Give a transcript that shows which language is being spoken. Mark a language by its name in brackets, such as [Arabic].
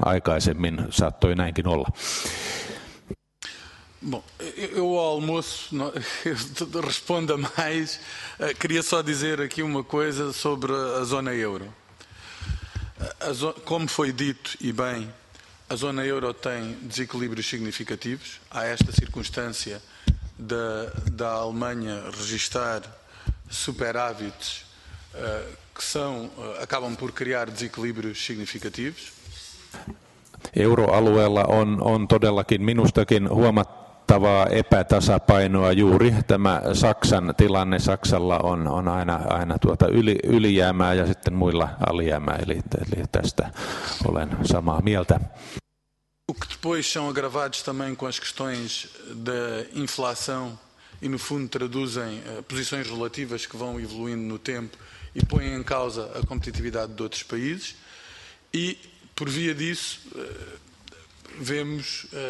[Finnish] Aikaisemmin saattoi näinkin olla. [Portuguese] Bom, eu ao almoço não, eu respondo a mais. Queria só dizer aqui uma coisa sobre a zona euro. Como foi dito, e bem, a zona euro tem desequilíbrios significativos. Há esta circunstância da Alemanha registar superávites que são, acabam por criar desequilíbrios significativos. [Finnish] Euroalueella on todellakin minustakin huomattava epätasapainoa juuri tämä Saksan tilanne. Saksalla on aina ylijäämää ja sitten muilla alijäämää, eli tästä olen samaa mieltä. [Portuguese] O que depois são agravados também com as questões da inflação e no fundo traduzem posições relativas que vão evoluindo no tempo e põem em causa a competitividade de outros países e por via disso vemos,